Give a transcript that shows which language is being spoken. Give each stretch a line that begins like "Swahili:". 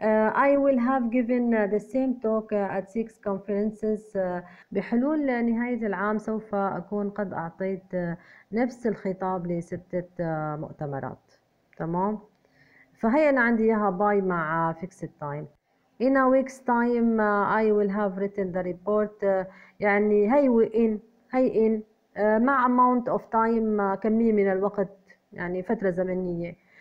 English: I will have given the same talk at 6 conferences.
Arabic: بحلول نهاية العام سوف أكون قد أعطيت نفس الخطاب لستة مؤتمرات. تمام؟ فهي أنا عندي إياها باي مع fixed time.
English: In a week's time I will have written the report.
Arabic: يعني هي إن مع
English: amount of time،
Arabic: كمية من الوقت، يعني فترة زمنية.